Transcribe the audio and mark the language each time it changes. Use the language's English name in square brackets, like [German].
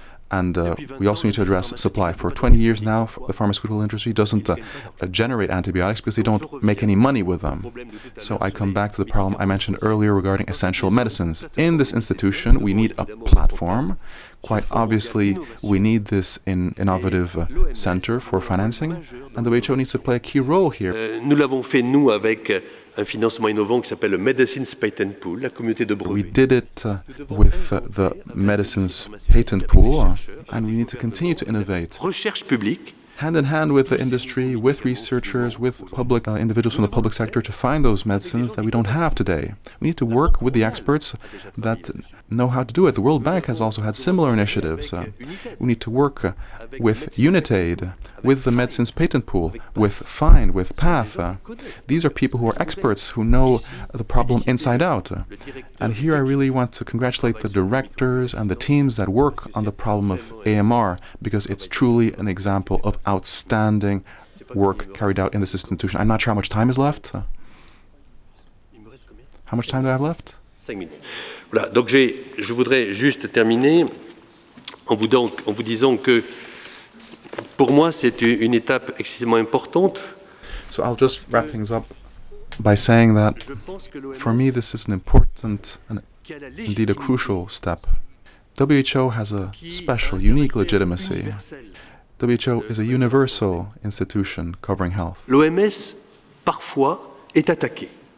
[English] And we also need to address supply. For 20 years now, the pharmaceutical industry doesn't generate antibiotics because they don't make any money with them. So I come back to the problem I mentioned earlier regarding essential medicines. In this institution, we need a platform. Quite obviously, we need this innovative center for financing, and the WHO needs to play a key role here. [French] Nous l'avons fait, nous, avec un financement innovant qui s'appelle le Medicines Patent Pool, la communauté de brevets. [English] We did it with the Medicines Patent Pool, and we need to continue to innovate. [French] Recherche publique. [English] Hand in hand with the industry, with researchers, with public individuals from the public sector to find those medicines that we don't have today. We need to work with the experts that know how to do it. The World Bank has also had similar initiatives. We need to work with UNITAID, with the Medicines Patent Pool, with FIND, with PATH. These are people who are experts who know the problem inside out. And here I really want to congratulate the directors and the teams that work on the problem of AMR, because it's truly an example of outstanding work carried out in this institution. I'm not sure how much time is left. How much time do I have left? 5 minutes. [French] Voilà, donc je voudrais juste terminer en vous disant que pour moi, c'est une étape extrêmement importante. [English] So I'll just wrap things up by saying that for me, this is an important and indeed a crucial step. WHO has a special, unique legitimacy. WHO is a universal institution covering health. [French] L'OMS, parfois, est attaqué.